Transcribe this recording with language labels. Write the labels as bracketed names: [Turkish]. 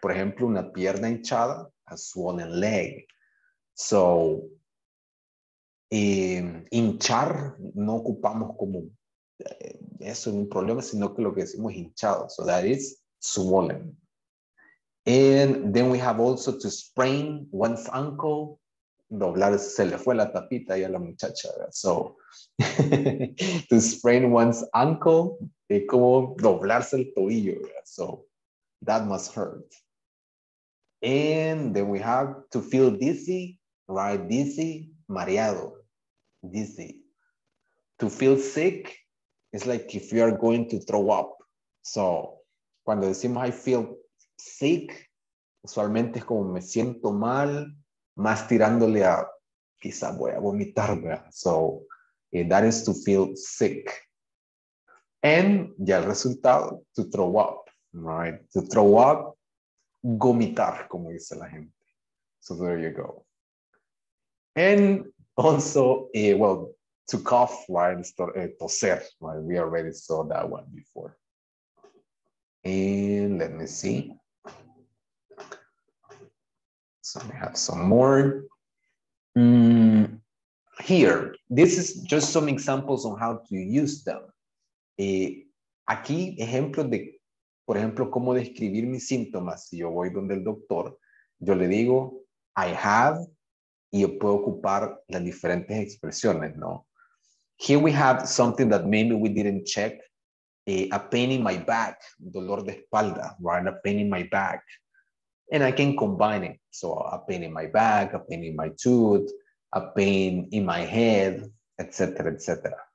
[Spanish] Por ejemplo, una pierna hinchada, a swollen leg. So, hinchar no ocupamos como eso en un problema, sino que lo que decimos es hinchado. [English] So that is swollen. And then we have also to sprain one's ankle. [Spanish] Doblar, se le fue la tapita y a la muchacha. So, to sprain one's ankle, es como doblarse el tobillo. [English] So, that must hurt. And then we have to feel dizzy, right? Dizzy, mareado, dizzy. To feel sick, it's like if you are going to throw up. [Spanish] So, cuando decimos I feel sick, usualmente es como me siento mal, más tirándole a quizá voy a vomitar, ¿verdad? [English] So, that is to feel sick. And, ya el resultado, to throw up, right? To throw up, vomitar, como dice la gente. So, there you go. And also, well, to cough, right? Toser, right? We already saw that one before. And let me see. So we have some more. Here, this is just some examples on how to use them. [Spanish] Aquí, ejemplos de, por ejemplo, cómo describir mis síntomas. Si yo voy donde el doctor, yo le digo, I have, y yo puedo ocupar las diferentes expresiones, ¿no? [English] Here we have something that maybe we didn't check. A pain in my back, dolor de espalda, right? A pain in my back. And I can combine it. So a pain in my back, a pain in my tooth, a pain in my head, etc., etc.